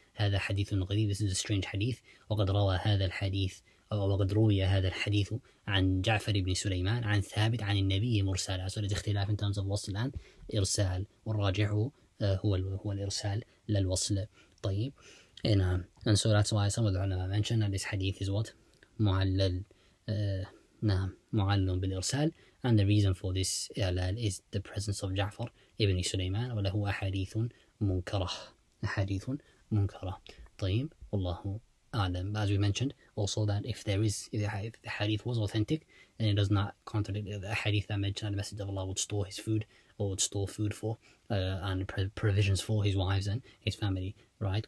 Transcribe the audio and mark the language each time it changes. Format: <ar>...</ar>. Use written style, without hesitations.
<ar>هذا حديث غريب,</ar> <en>this is a strange hadith.</en> <ar>وقد روى هذا الحديث وقد روي هذا الحديث عن جعفر بن سليمان عن ثابت عن النبي مرسلا.</ar> <en>So there's</en> <ar>اختلاف</ar> <en>in terms of</en> <ar>وصل عن إرسال, والراجح هو الإرسال للوصل.</ar> <en>طيب, and so that's why some of the ulama mentioned that this hadith is what?</en> <ar>معلل. نعم, معلل بالإرسال.</ar> <en>And the reason for this إعلال is the presence of جعفر ابن سليمان,</en> <ar>وله أحاديث منكرة. أحاديث منكرة. طيب, والله أعلم.</ar> <en>As we mentioned also, that if the hadith was authentic, then it does not contradict the hadith that mentioned the Messenger of Allah would store his food, or would store food for and provisions for his wives and his family, right?</en>